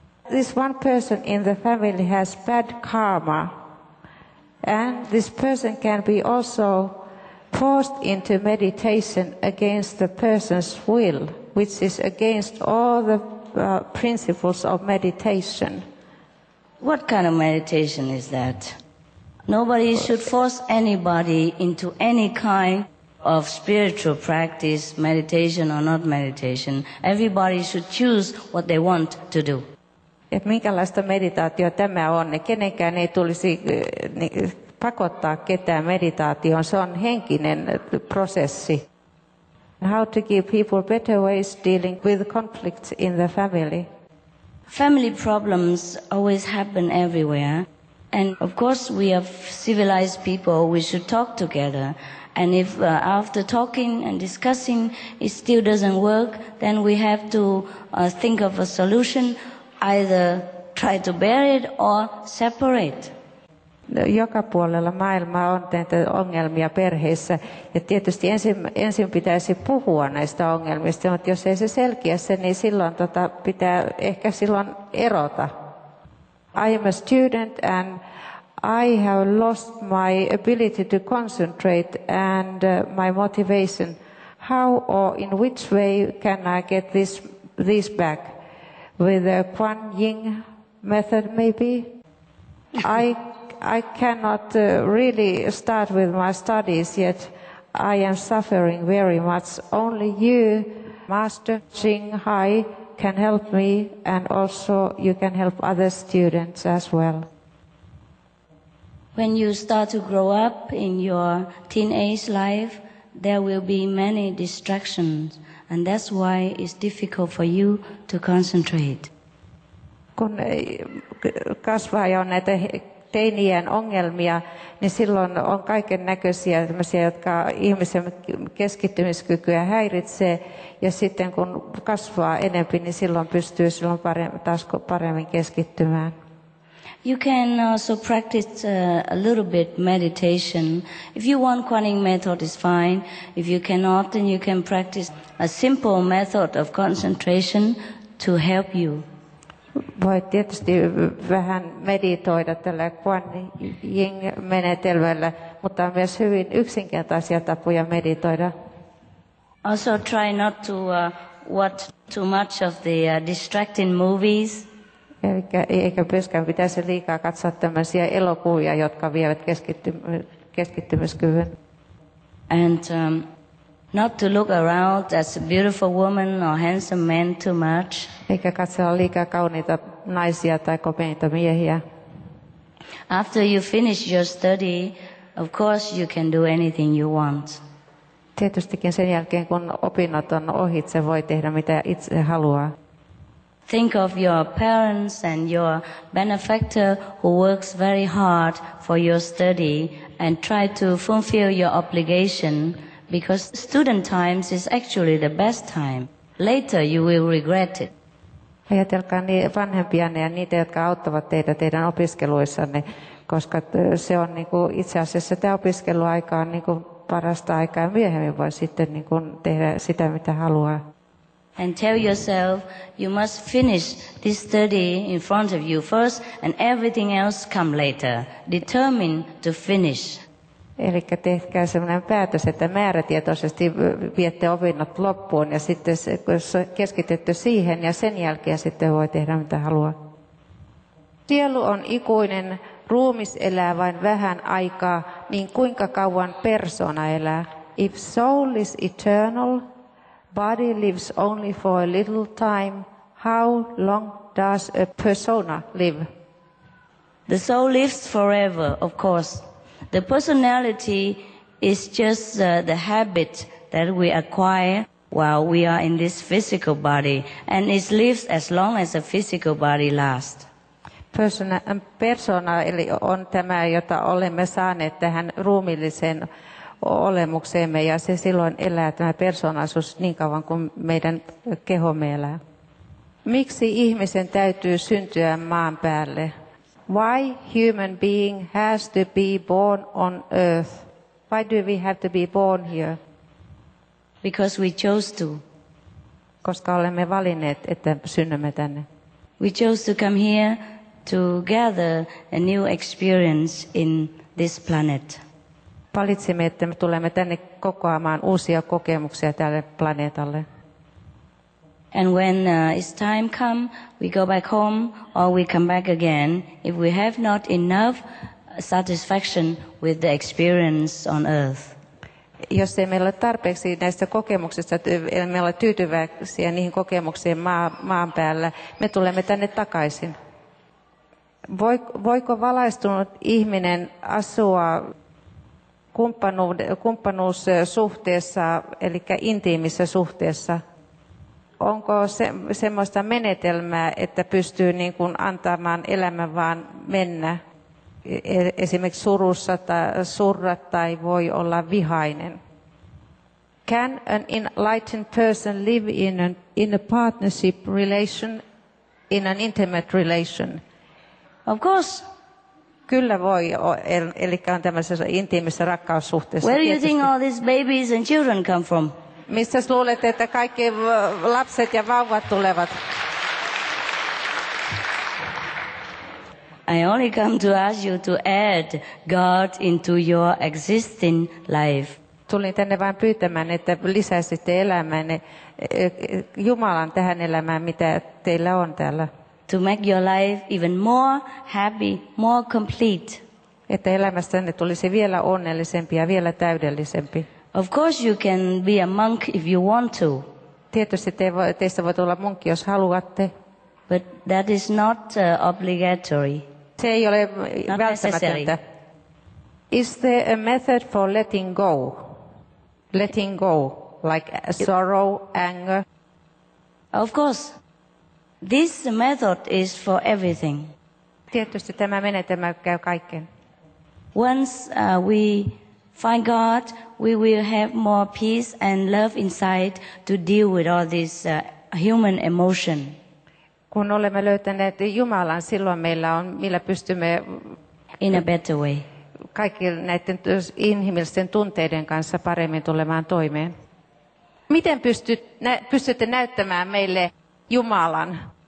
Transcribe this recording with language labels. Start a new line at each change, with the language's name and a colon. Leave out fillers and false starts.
English: This one person in the family has bad karma, and this person can be also forced into meditation against the person's will, which is against all the principles of meditation. What kind of meditation is that? Nobody should force anybody into any kind of spiritual practice, meditation or not meditation. Everybody should choose what they want to do.
Finnish: Et minkälaista meditaatio tämä on? Kenenkään ei tulisi pakottaa ketään meditaatioon. Se on henkinen prosessi.
English: How to give people better ways dealing with conflicts in the family? Family problems always happen everywhere, and of course we are civilized people, we should talk together, and if after talking and discussing it still doesn't work, then we have to think of a solution, either try to bear it or separate.
Finnish: Joka puolella maailmaa on näitä ongelmia perheissä, ja tietysti ensin pitäisi puhua näistä ongelmista, mutta jos ei se selkiä se, niin silloin pitää ehkä silloin erota.
English: I am a student and I have lost my ability to concentrate and my motivation. How or in which way can I get this back? With the Kuan Yin method maybe? I cannot really start with my studies yet. I am suffering very much. Only you, Master Ching Hai, can help me, and also you can help other students as well. When you start to grow up in your teenage life, there will be many distractions, and that's why it's difficult for you to concentrate.
Finnish: Kun kasvaa ja on näitä teinien ongelmia, niin silloin on kaiken näköisiä tämmöisiä, jotka ihmisen keskittymiskykyä häiritsee, ja sitten kun kasvaa enempi, niin silloin pystyy silloin paremmin keskittymään.
English: You can also practice a little bit meditation. If you want Quaning method is fine. If you cannot, then you can practice a simple method of concentration to help you.
Finnish: Voit tietysti vähän meditoida tällä Quaning menetelmällä, mutta on myös hyvin yksinkertaisia tapoja meditoida.
English: Also try not to watch too much of the distracting movies.
Finnish: Eikä myöskään pitäisi liikaa katsoa tämmöisiä elokuvia, jotka vievät keskittymiskyvyn.
English: And not to look around as a beautiful woman or handsome man too much.
Finnish: Eikä katsoa liikaa kauniita naisia tai komeita miehiä.
English: After you finish your study, of course you can do anything you want.
Finnish: Tietystikin sen jälkeen, kun opinnot on ohitse, voi tehdä mitä itse haluaa.
English: Think of your parents and your benefactor who works very hard for your study and try to fulfill your obligation, because student times is actually the best time. Later you will regret it.
Finnish: Ajatelkaa vanhempianne ja niitä, jotka auttavat teitä teidän opiskeluissanne, koska se on niinku itse asiassa tämä opiskeluaika on niinku parasta aikaa, ja myöhemmin voi sitten niinku tehdä sitä mitä haluaa.
English: And tell yourself you must finish this study in front of you first, and everything else come later. Determine to finish.
Finnish: Eli tehkää sellainen päätös, että määrätietoisesti viette opinnot loppuun ja sitten keskitytte siihen, ja sen jälkeen sitten voi tehdä mitä haluaa. Sielu on ikuinen, ruumis elää vain vähän aikaa, niin kuinka kauan persona elää?
English: If soul is eternal, body lives only for a little time. How long does a persona live? The soul lives forever, of course. The personality is just the habit that we acquire while we are in this physical body, and it lives as long as a physical body lasts.
Finnish: Persona eli on tämä, jota olemme saaneet tähän ruumilliseen olemukseemme, ja se silloin elää tämä persoonallisuus niin kauan kuin meidän kehomme elää. Miksi ihmisen täytyy syntyä maan päälle?
English: Why human being has to be born on earth? Why do we have to be born here? Because we chose to.
Finnish: Koska olemme valinneet, että synnymme tänne.
English: We chose to come here to gather a new experience in this planet.
Finnish: Valitsimme, että me tulemme tänne kokoamaan uusia kokemuksia tälle planeetalle.
English: And when it's time come, we go back home or we come back again if we have not enough satisfaction with the experience on earth.
Finnish: Jos ei meillä ole tarpeeksi näistä kokemuksista, emme ole tyytyväisiä niihin kokemuksiin maan päällä, me tulemme tänne takaisin. Voiko valaistunut ihminen asua kumppanuussuhteessa, eli intiimissä suhteessa? Onko semmoista menetelmää, että pystyy niin kuin antamaan elämän vaan mennä? Esimerkiksi surussa tai surra tai voi olla vihainen.
English: Can an enlightened person live in a partnership relation, in an intimate relation? Of course.
Finnish: Kyllä voi, eli on tämmöisessä intiimissä rakkaussuhteessa.
English: Where do you think all these babies and children come from?
Finnish: Mistä luulet, että kaikki lapset ja vauvat tulevat?
English: I only come to ask you to add God into your existing life.
Finnish: Tulin tänne vain pyytämään, että lisäisitte elämään Jumalan tähän elämään, mitä teillä on täällä.
English: To make your life even more happy, more complete.
Finnish: Että elämästänne tulisi vielä onnellisempi ja vielä täydellisempi.
English: Of course you can be a monk if you want to.
Finnish: Tietysti teistä voi tulla munkki, jos haluatte.
English: But that is not obligatory.
Finnish: Se ei ole välttämätöntä.
English: Is there a method for letting go? Letting go, like sorrow, anger? Of course. This method is for everything.
Finnish: Tietysti tämä menetelmä käy kaikkeen.
English: Once we find God, we will have more peace and love inside to deal with all this human emotion.
Finnish: Kun olemme löytäneet Jumalan, silloin meillä on, millä pystymme
English: in a better way.
Finnish: Kaikki näiden inhimillisten tunteiden kanssa paremmin tulemaan toimeen. Miten pystytte näyttämään meille Jumalan?